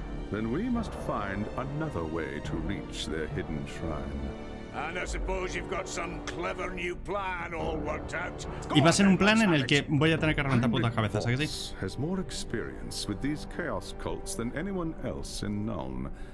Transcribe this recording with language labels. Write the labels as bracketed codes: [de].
[en] Then we must find another way to reach their hidden shrine. And I suppose you've got some clever new plan all worked out. [es] Y va a ser un plan en el que voy a tener que reventar putas cabezas, ¿a que sí? [en] Has more experience with these chaos cults than anyone else in Nuln.